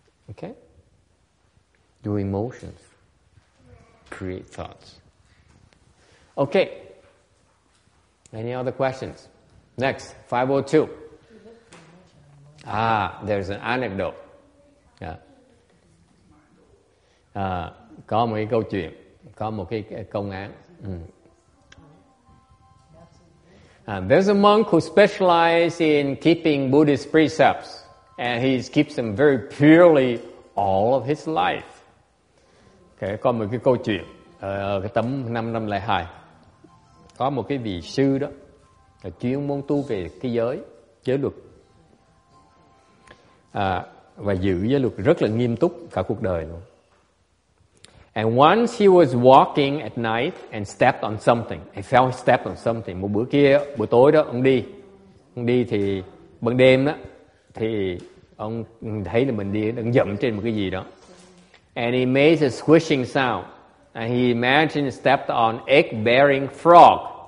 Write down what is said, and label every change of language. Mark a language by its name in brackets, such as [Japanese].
[English] Okay. Your emotions create thoughts. Okay. Any other questions? Next, 502. There's an anecdote. [Vietnamese] Có một cái câu chuyện, có một cái công án. [English] There's a monk who specializes in keeping Buddhist precepts, and he keeps them very purely all of his life. [Vietnamese] Okay, có một cái câu chuyện, cái tấm 502. Có một cái vị sư đó là chuyên môn tu về cái giới luật và giữ giới luật rất là nghiêm túc cả cuộc đời luôn. [English] And once he was walking at night and stepped on something. He felt he stepped on something. [Vietnamese] Một bữa kia, buổi tối đó, ông đi thì ban đêm đó thì ông thấy là mình đi đang dẫm trên một cái gì đó. [English] And he made a squishing sound. And he imagined he stepped on egg-bearing frog.